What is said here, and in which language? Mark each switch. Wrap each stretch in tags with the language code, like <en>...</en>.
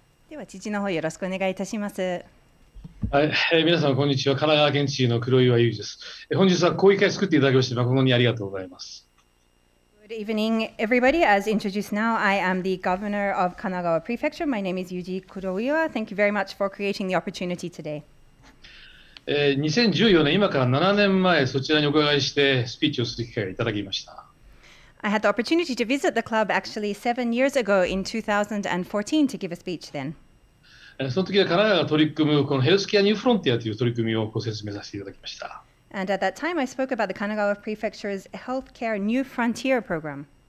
<en>Good evening, everybody. As introduced now, I am the governor of Kanagawa Prefecture. My name is Yuji Kuroiwa. Thank you very much for creating the opportunity today.</en> <ja>2014年、今から7年前、そちらにお伺いしてスピーチをする機会をいただきました。</ja> <en>I had the opportunity to visit the club actually 7 years ago in 2014 to give a speech then.</en> <ja>その時は神奈川が取り組むこのヘルスケアニューフロンティアという取り組みをご説明させていただきました。</ja> <en>And at that time, I spoke about the Kanagawa Prefecture's Healthcare New Frontier Program.</en>